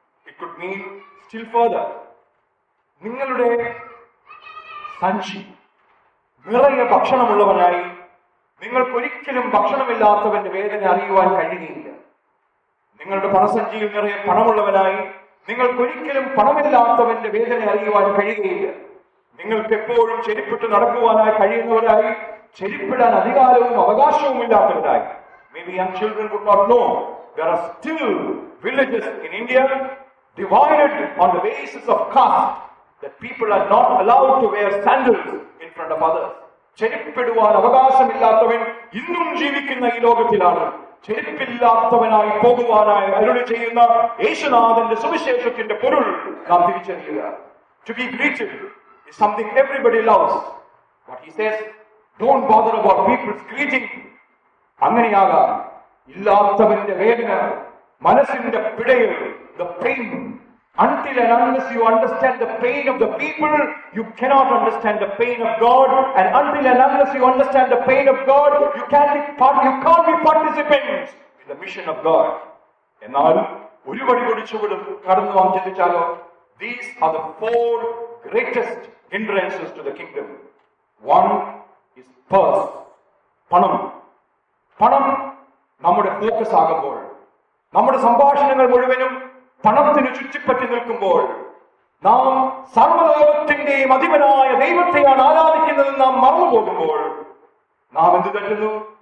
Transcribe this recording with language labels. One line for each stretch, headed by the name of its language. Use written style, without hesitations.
English: it could mean still further,
Malayalam: നിങ്ങളുടെ സഞ്ചി നിറയെ ഭക്ഷണമുള്ളവനായി, നിങ്ങൾക്കൊരിക്കലും ഭക്ഷണമില്ലാത്തവന്റെ വേദന അറിയുവാൻ കഴിയുകയില്ല. നിങ്ങളുടെ പണസഞ്ചിയിൽ നിറയെ പണമുള്ളവനായി, നിങ്ങൾക്കൊരിക്കലും പണമില്ലാത്തവന്റെ വേദന അറിയുവാൻ കഴിയുകയില്ല. നിങ്ങൾക്ക് എപ്പോഴും ചെരുപ്പിട്ട് നടക്കുവാനായി കഴിയുന്നവരായി, ചെരുപ്പിടാൻ അധികാരവും അവകാശവും ഇല്ലാത്തവരായി.
English: Maybe young children could not know, there are still villages in India divided on the basis of caste, that people are not allowed to wear sandals in front of others.
Malayalam: ചെരുപ്പിടുവാൻ അവകാശമില്ലാത്തവൻ ഇന്നും ജീവിക്കുന്ന ഈ ലോകത്തിലാണ്. ചെരുപ്പില്ലാത്തവനായി പോകുവാനായി അരുളി ചെയ്യുന്ന യേശുനാഥന്റെ സുവിശേഷത്തിന്റെ പൊരുൾ നാം തിരിച്ചറിയുക.
English: To be greeted is something everybody loves. But he says, don't bother about people's greeting.
Malayalam: അങ്ങനെയാകാം. ഇല്ലാത്തവന്റെ വേദന, മനസ്സിന്റെ പിടയിൽ,
English: the pain. Until and unless you understand the pain of the people, you cannot understand the pain of God. And until and unless you understand the pain of God, you can't be participants in the mission of God.
Malayalam: എന്നാൽ ഒരു വടി കൊടിച്ചുവിടും കടന്നു van ചിന്തിച്ചാലോ?
English: These are the four greatest hindrances to the kingdom. One is purse, പണം.
Malayalam: പണം നമ്മുടെ focus ആകുമ്പോൾ, നമ്മുടെ സംഭാഷണങ്ങൾ മുഴുവനും പണത്തിന് ചുറ്റിപ്പറ്റി നിൽക്കുമ്പോൾ, നാം സർവലോകത്തിന്റെയും അധിപനായ ദൈവത്തെയാണ് ആരാധിക്കുന്നതെന്ന് നാം മറന്നുപോകുമ്പോൾ, നാം എന്ത് തെറ്റുന്നു?